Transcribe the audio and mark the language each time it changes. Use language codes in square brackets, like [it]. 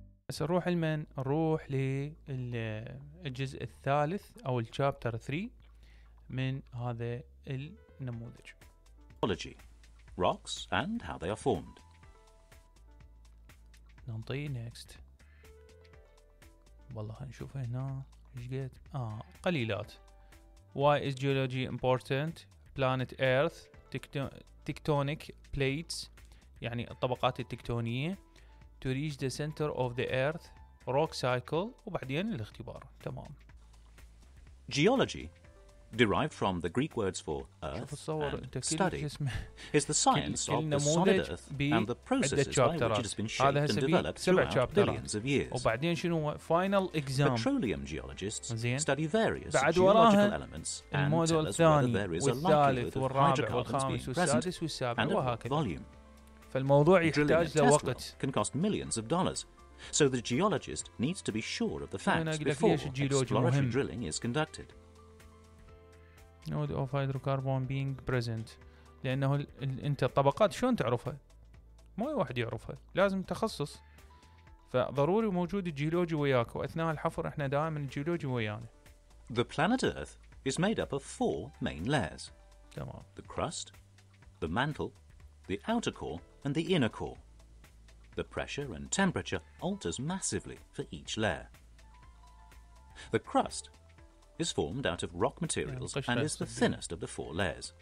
[ar] هسه نروح لمن؟ نروح للجزء الثالث او الشابتر 3 من هذا النموذج. [en] Geology, rocks and how they are formed. [ar] ننطي next. والله هنشوف هنا ايش قد قليلات. [en] Why is geology important? Planet Earth, tectonic plates, [ar] يعني الطبقات التكتونية. [en] To reach the center of the earth, rock cycle, [ar] وبعدين الاختبار. تمام. [en] Geology, derived from the Greek words for earth and study, is the science of the solid earth and the processes by which it has been shaped and developed throughout billions of years. [ar] وبعدين شنو [en] final exam. Petroleum geologists study various geological elements and tell us whether there is a likelihood of hydrocarbons being present and at volume. [ar] فالموضوع يحتاج لوقت. [en] Can cost millions of dollars. So the geologist needs to be sure of the facts before exploratory drilling is conducted. Node of hydrocarbon being present. [ar] لأنه أنت الطبقات شلون تعرفها؟ ما واحد يعرفها. لازم تخصص. فضروري موجود الجيولوجي وياك. وأثناء الحفر إحنا دائما الجيولوجي ويانا. [en] The planet Earth is made up of four main layers. [ar] تمام. [en] The crust, the mantle, the outer core and the inner core. The pressure and temperature alters massively for each layer. The crust is formed out of rock materials and is the thinnest of the four layers.